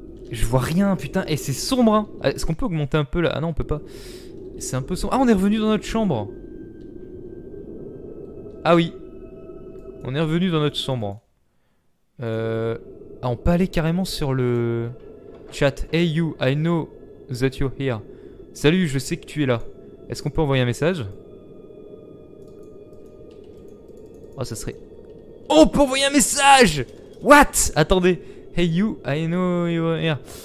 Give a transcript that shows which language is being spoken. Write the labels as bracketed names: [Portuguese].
[French] Je vois rien, putain, et c'est sombre. Hein. Est-ce qu'on peut augmenter un peu là? Ah non, on peut pas. C'est un peu sombre. Ah, on est revenu dans notre chambre. Ah oui, on est revenu dans notre chambre. Ah, on peut aller carrément sur le chat. [English] Hey you, I know that you're here. [French] Salut, je sais que tu es là. Est-ce qu'on peut envoyer un message? Oh, ça serait... Oh, on peut envoyer un message! [English] What? [French] Attendez. [English] Hey, you, I know you are here.